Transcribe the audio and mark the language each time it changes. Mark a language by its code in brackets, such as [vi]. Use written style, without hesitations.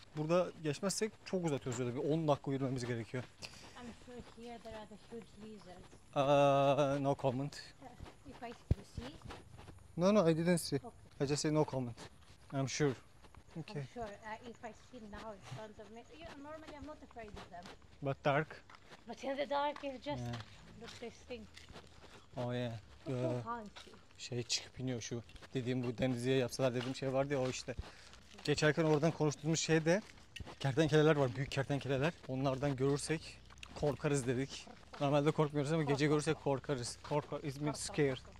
[tr] Burada geçmezsek çok uzatıyoruz öyle bir 10 dakika yürümemiz gerekiyor. [en] I'm sure here there are the huge lizards. No comment. If I see? No, I didn't see. Okay. I just say no comment. I'm sure. Okay. I'm sure. If I see now in front of me, yeah, normally I'm not afraid of them. But dark. But in the dark, it just looks disgusting. Oh yeah. So funky. [tr] Şey çıkıp iniyor şu dediğim bu denizliğe yapsalar dediğim şey vardı ya o işte. Geçerken oradan konuştuğumuz şey de kertenkeleler var, büyük kertenkeleler. Onlardan görürsek korkarız dedik. Normalde korkmuyoruz ama gece görürsek korkarız. [en] Korkar, it means scared.